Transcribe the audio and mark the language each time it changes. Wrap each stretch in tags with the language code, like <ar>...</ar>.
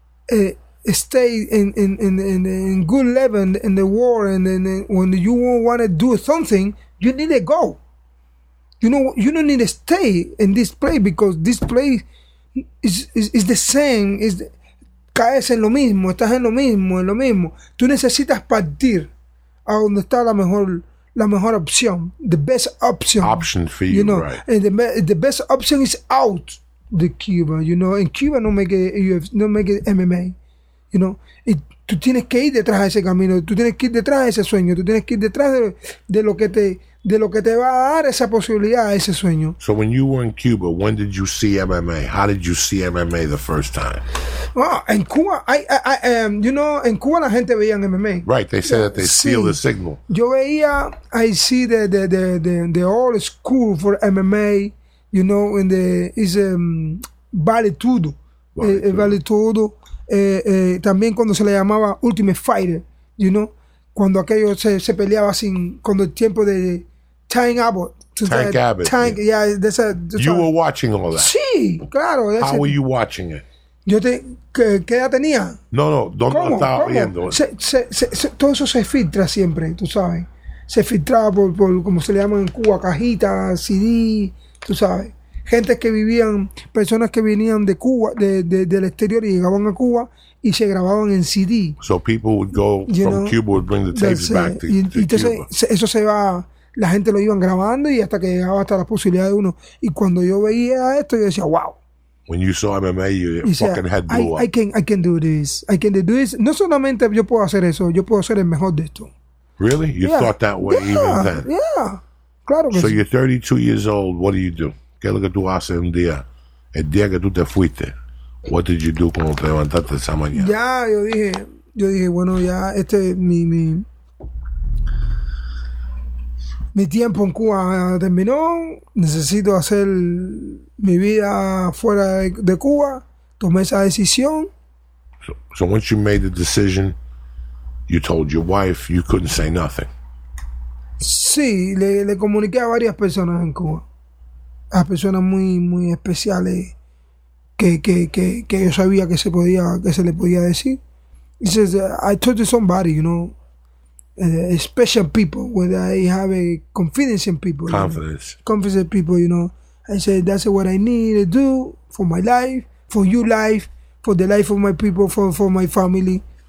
<en>So you want to stay in good level in the war, and then when you want to do something, you need to go. You know, you don't need to stay in this place, because this place is the same.</en> <es>Is caes en lo mismo, estás en lo mismo. Tú necesitas partir a donde está la mejor opción,</es> <en>the best option. Option for you, you know? Right? And the best option is out the Cuba. You know, in Cuba no make it MMA.</en> <es>You know, tú tienes que ir detrás de ese camino, tú tienes que ir detrás de ese sueño, tú tienes que ir detrás de lo que te va a dar esa posibilidad, ese sueño.</es> <en>So when you were in Cuba, when did you see MMA? How did you see MMA the first time?</en> <es>Oh, en Cuba, en Cuba la gente veía en MMA.</es> <en>Right, they said that they steal the signal.</en> <es>Yo veía,</es> <en>I see the old school for MMA, you know, in the, is Vale Tudo. Vale Tudo.</en> <es>También cuando se le llamaba Ultimate Fighter, you know, cuando aquello se peleaba sin, cuando el tiempo de Tank Abbott.</es> <en>You were watching all that.</en> <es>Sí, claro.</es> <en>How were you watching it?</en> <es>¿Qué edad tenía? No, ¿dónde estaba viendo? Todo eso se filtra siempre, tú sabes. se filtraba por como se le llaman en Cuba, cajitas, CD, tú sabes. Gente que vivían, personas que venían de Cuba, del exterior y llegaban a Cuba y se grababan en CD.</es> <en>So people would go from Cuba, would bring the tapes back to Cuba.</en> <es>Y entonces eso se va, la gente lo iban grabando y hasta que llegaba hasta la posibilidad de uno. Y cuando yo veía esto, yo decía, wow.</es> <en>When you saw MMA, your head blew up. I can do this.</en> <es>No solamente yo puedo hacer eso, yo puedo ser el mejor de esto.</es> <en>Really? You thought that way even then?</en> <es>Yeah, claro que</es> <en>so So you're 32 years old, what do?</en> <es>¿Qué es lo que tú haces un día? El día que tú te fuiste,</es> <en>what did you do</en> <es>cuando te levantaste esa mañana? Ya, yo dije, bueno, ya, este, mi tiempo en Cuba terminó, necesito hacer mi vida fuera de Cuba, tomé esa decisión.</es> <en>So once you made the decision, you told your wife, you couldn't say nothing.</en> <es>Sí, le comuniqué a varias personas en Cuba. A personas muy muy especiales que yo sabía que se le podía decir.</es> <en>He says, I told to somebody, you know, special people, where they have a confidence in people. Confidence. You know? Confidence in people, you know. I said, that's what I need to do for my life, for your life, for the life of my people, for my family.</en>